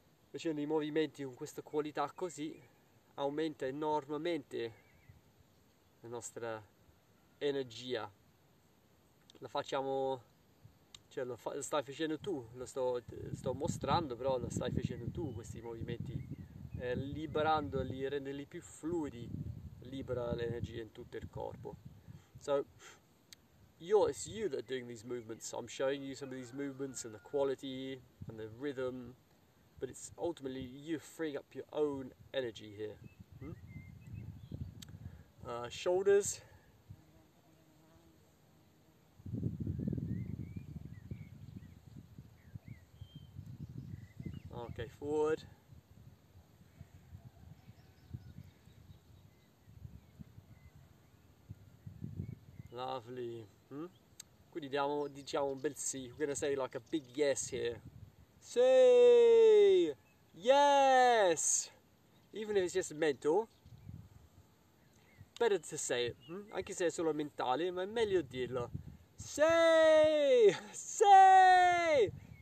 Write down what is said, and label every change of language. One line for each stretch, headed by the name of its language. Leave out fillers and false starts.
Italian: Facendo i movimenti con questa qualità così aumenta enormemente la nostra energia. La facciamo, cioè lo stai facendo tu, lo sto mostrando, però lo stai facendo tu questi movimenti, liberandoli, renderli più fluidi, libera l'energia in tutto il corpo.
English: So, it's you that are doing these movements. So I'm showing you some of these movements and the quality and the rhythm. But it's ultimately you freeing up your own energy here. Shoulders. Okay, forward. Lovely.
Italian: Quindi diciamo un bel sì.
English: We're gonna say like a big yes here. Sì! Yes! Even if it's just mental, better to say it.
Italian: Anche se è solo mentale, ma è meglio dirlo. Sì! Sì!